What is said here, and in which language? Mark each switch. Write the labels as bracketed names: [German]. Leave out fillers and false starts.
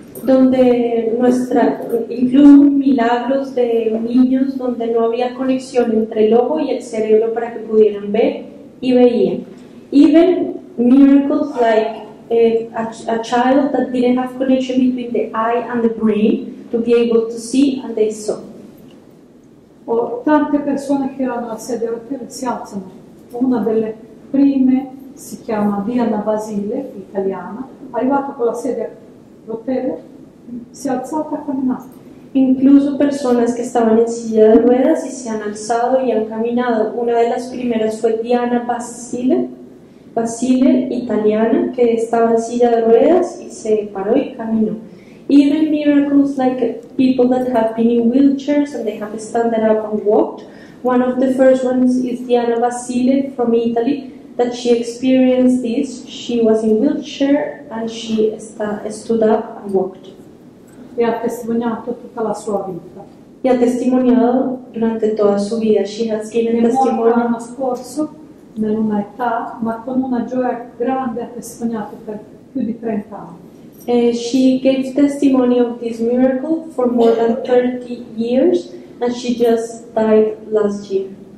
[Spanish] Donde nuestra, incluso milagros de niños donde no había conexión entre el ojo y el cerebro para que pudieran ver y veían. [English] Even miracles like a child that didn't have connection between the eye and the brain to be able to see and they saw. [Italian] O tante persone che erano alla sedia rotella si alzano. Una delle prime si chiama Diana Basile, italiana, arrivata con la sedia rotella. Si è alzata a camminare. [Spanish] Incluso personas que estaban en silla de ruedas y se han alzado y han caminado. Una de las primeras fue Diana Basile, italiana, que estaba en silla de ruedas y se paró y caminó. [English] Even miracles like people that have been in wheelchairs and they have stood up and walked. One of the first ones is Diana Basile from Italy, that she experienced this. She was in wheelchair and she stood up and walked. [Italian] E ha testimoniato tutta la sua vita. E ha testimoniato durante tutta la sua vita. [English] She has given testimony. [Italian] L'anno scorso, nell'una età, ma con una gioia grande, ha testimoniato per più di 30 anni. [English] She gave testimony of this miracle for more than 30 years, and she just died last year.